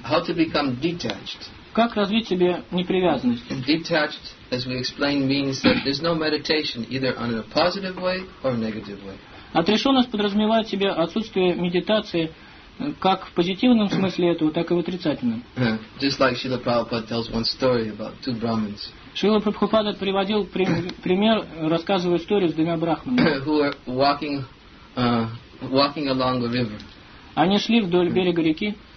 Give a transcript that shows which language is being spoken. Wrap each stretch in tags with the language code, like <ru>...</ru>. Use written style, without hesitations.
<en>How to become detached.</en> <ru>Как развить в себе непривязанность?</ru> <en>Detached, as we explained, means that there's no meditation either on a positive way or a negative way.</en> <ru>Отрешенность подразумевает в себе отсутствие медитации как в позитивном смысле этого, так и в отрицательном.</ru> <en>Just like Srila Prabhupada tells one story about two Brahmins.</en> <ru>Шрила Прабхупада приводил пример, рассказывая историю с двумя брахманами.</ru> <en>Who were walking along the river.</en> <ru>Они шли вдоль берега реки.</ru>